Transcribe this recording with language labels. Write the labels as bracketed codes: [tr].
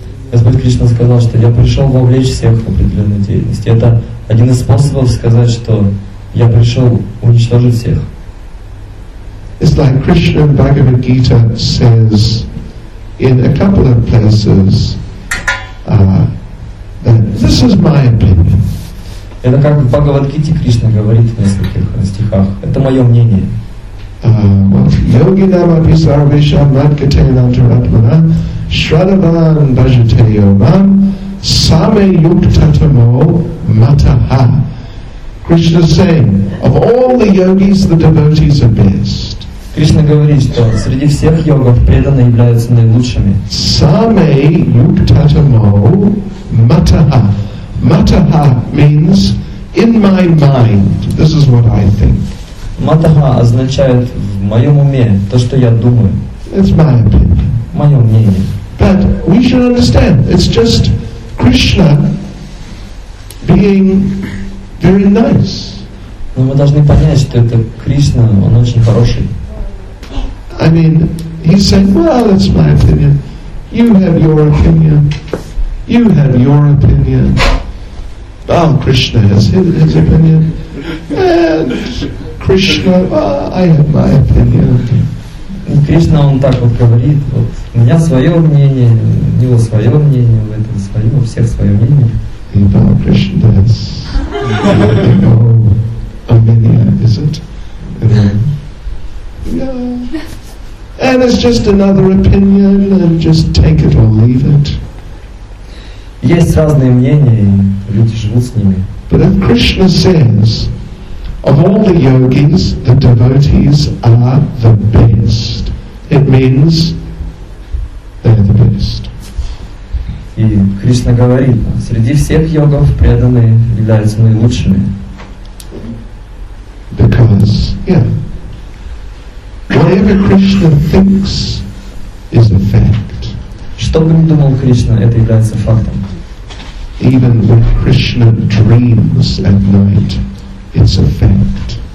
[ru] Господь Кришна сказал, что я пришел вовлечь всех в определенную деятельность. Это один из способов сказать, что я пришел уничтожить всех. [en] It's like Krishna in Bhagavad Gita says in a couple of places that this is my opinion. [ru] Это как в Бхагавад Гите Кришна говорит в нескольких стихах. Это мое мнение. [sa] Йоги нама писарвеша мадгатена антаратмана Shradavan Bhajate Yomam Same Yuktatamo Mataha. [en] Krishna is saying, of all the yogis, the devotees are best. [ru] Krishna говорит, что среди всех йогов преданные являются наилучшими. [sa] Same Yuktatamo Mataha. [en] Mataha means in my mind, this is what I think. [ru] Матаха означает в моем уме то, что я думаю. [en] It's my opinion. [ru] Мое мнение. [en] But we should understand, it's just Krishna being very nice. [ru] Но мы должны понять, что это Кришна, он очень хороший. [en] I mean, he's saying, well, it's my opinion. You have your opinion. You have your opinion. Oh, Krishna has his opinion. And Krishna, oh, I have my opinion. [ru] Кришна, он так вот говорит, вот, у меня свое мнение, у него свое мнение, у этого свое, у всех свое мнение. И Бал Кришна дас, его мнение, [en] is it? And it's just another opinion, and just take it or leave it. [ru] Есть разные мнения, и люди живут с ними. [en] But if Krishna says, of all the yogis, the devotees are the best. It means they're the best. [ru] И Кришна говорит, среди всех йогов преданные являются наилучшими. [en] Because, yeah, whatever Krishna thinks is a fact. [ru] Что бы ни думал Кришна, это является фактом. [en] Even when Krishna dreams at night, it's a fact.